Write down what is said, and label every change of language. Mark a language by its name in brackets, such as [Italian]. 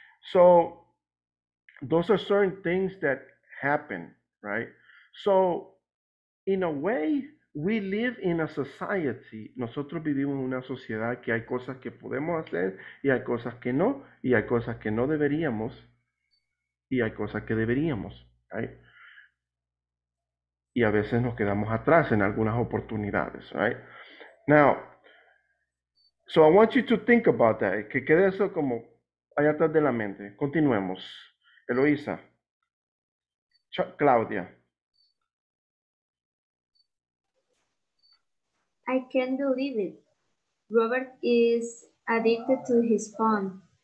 [English] So those are certain things that happen, right? So in a way, we live in a society. [Spanish] Nosotros vivimos en una sociedad que hay cosas que podemos hacer y hay cosas que no, y hay cosas que no deberíamos y hay cosas que deberíamos, right? Y a veces nos quedamos atrás en algunas oportunidades, right? [English] Now, so I want you to think about that. [Spanish] Que quede eso como allá atrás de la mente. Continuemos. Eloisa. Claudia. [English] I can't believe it. Robert is addicted to his phone.